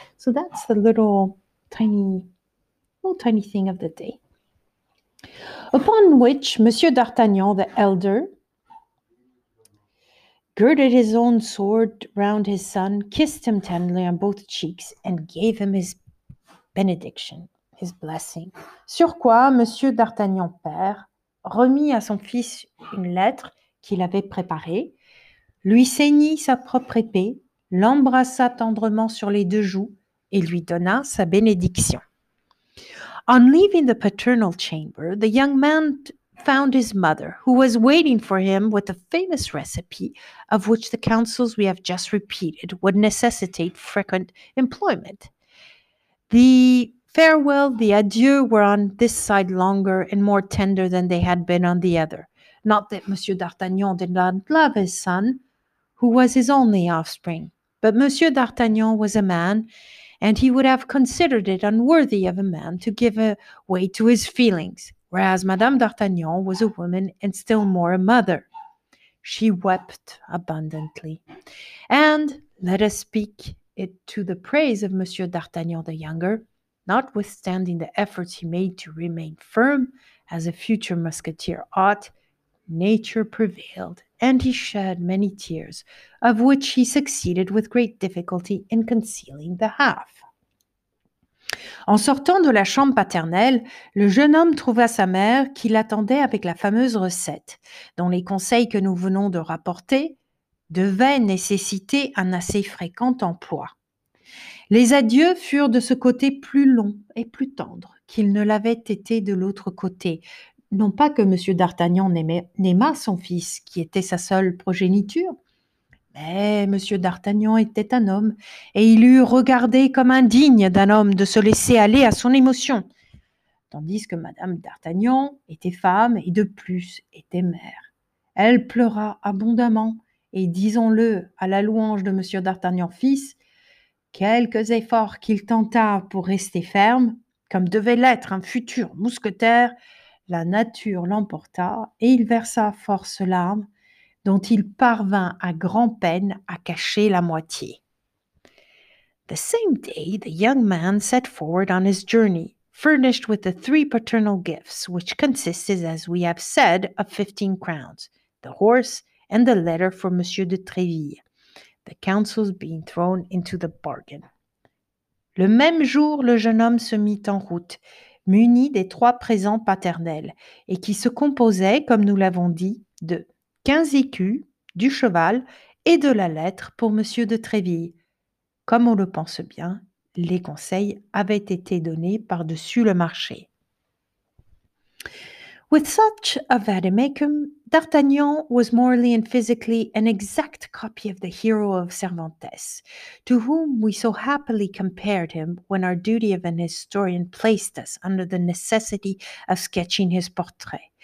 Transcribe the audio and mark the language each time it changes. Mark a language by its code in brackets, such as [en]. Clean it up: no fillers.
[en] So that's the little tiny thing of the day. Upon which, Monsieur d'Artagnan, the elder, girded his own sword round his son, kissed him tenderly on both cheeks, and gave him his benediction, his blessing. [fr] Sur quoi, Monsieur d'Artagnan, père, remit à son fils une lettre qu'il avait préparée, lui ceignit sa propre épée, l'embrassa tendrement sur les deux joues et lui donna sa bénédiction. [en] On leaving the paternal chamber, the young man found his mother, who was waiting for him with a famous recipe of which the counsels we have just repeated would necessitate frequent employment. The farewell, the adieu were on this side longer and more tender than they had been on the other. Not that Monsieur d'Artagnan did not love his son, who was his only offspring. But Monsieur d'Artagnan was a man, and he would have considered it unworthy of a man to give way to his feelings, whereas Madame d'Artagnan was a woman and still more a mother. She wept abundantly. And let us speak it to the praise of Monsieur d'Artagnan the younger, notwithstanding the efforts he made to remain firm as a future musketeer ought, nature prevailed, and he shed many tears, of which he succeeded with great difficulty in concealing the half. [fr] En sortant de la chambre paternelle, le jeune homme trouva sa mère qui l'attendait avec la fameuse recette, dont les conseils que nous venons de rapporter devaient nécessiter un assez fréquent emploi. Les adieux furent de ce côté plus longs et plus tendres qu'ils ne l'avaient été de l'autre côté. Non pas que M. d'Artagnan n'aimât son fils, qui était sa seule progéniture, mais M. d'Artagnan était un homme, et il eût regardé comme indigne d'un homme de se laisser aller à son émotion, tandis que Mme d'Artagnan était femme et de plus était mère. Elle pleura abondamment, et disons-le à la louange de M. d'Artagnan fils, quelques efforts qu'il tenta pour rester ferme, comme devait l'être un futur mousquetaire, la nature l'emporta et il versa force larmes dont il parvint à grand-peine à cacher la moitié. [en] The same day, the young man set forward on his journey, furnished with the three paternal gifts, which consisted, as we have said, of 15 crowns, the horse and the letter for Monsieur de Tréville, the counsels being thrown into the bargain. [fr] Le même jour, le jeune homme se mit en route, muni des trois présents paternels, et qui se composaient, comme nous l'avons dit, de 15 écus, du cheval et de la lettre pour Monsieur de Tréville. Comme on le pense bien, les conseils avaient été donnés par-dessus le marché. [en] With such a vademecum, D'Artagnan was morally and physically an exact copy of the hero of Cervantes, to whom we so happily compared him when our duty of an historian placed us under the necessity of sketching his portrait.